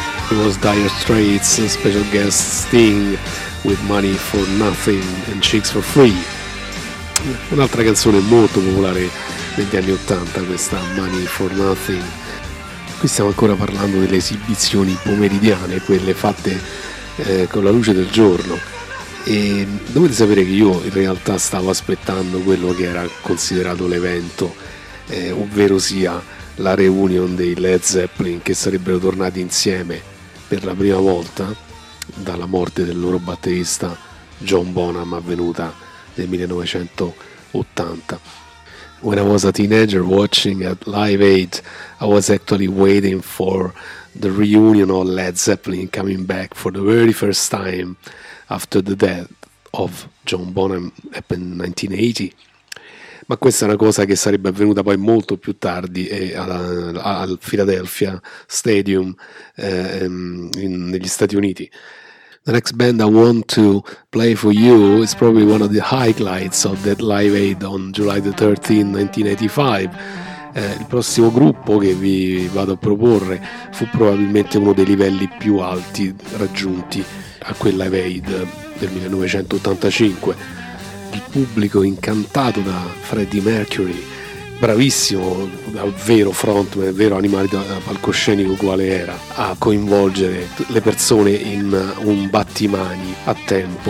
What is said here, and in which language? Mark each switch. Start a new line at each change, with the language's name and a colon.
English: It was Dire Straits, special guest Sting, with Money for Nothing and Chicks for Free.
Italian: Un'altra canzone molto popolare negli anni Ottanta, questa Money for Nothing. Qui stiamo ancora parlando delle esibizioni pomeridiane, quelle fatte con la luce del giorno. E dovete sapere che io in realtà stavo aspettando quello che era considerato l'evento, ovvero sia la reunion dei Led Zeppelin, che sarebbero tornati insieme per la prima volta dalla morte del loro batterista John Bonham, avvenuta nel 1980.
English: When I was a teenager watching at Live Aid, I was actually waiting for the reunion of Led Zeppelin coming back for the very first time after the death of John Bonham happened in 1980.
Italian: Ma questa è una cosa che sarebbe avvenuta poi molto più tardi al Philadelphia Stadium negli Stati Uniti.
English: The next band I want to play for you is probably one of the highlights of that Live Aid on July the 13th, 1985.
Italian: Il prossimo gruppo che vi vado a proporre fu probabilmente uno dei livelli più alti raggiunti a quel Live Aid del 1985. Il pubblico incantato da Freddie Mercury, bravissimo, davvero frontman, vero animale da palcoscenico quale era, a coinvolgere le persone in un battimani a tempo.